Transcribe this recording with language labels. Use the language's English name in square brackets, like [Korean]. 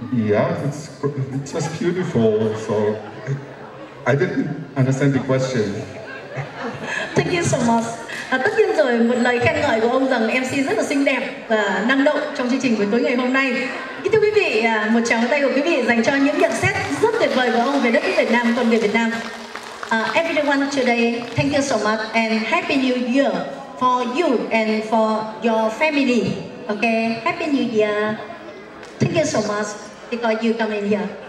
[English] Yeah, it's just beautiful, so I didn't understand the question. Thank you so much. [Vietnamese] Tất nhiên rồi, một lời khen ngợi của ông rằng MC rất là xinh đẹp và năng động trong chương trình buổi tối ngày hôm nay. Kính thưa quý vị, một tràng tay của quý vị dành cho những nhận xét rất tuyệt vời của ông về đất nước Việt Nam, con người Việt Nam. [English] Everyone today, thank you so much and happy new year for you and for your family. Okay, happy new year. Thank you so much because you come in here.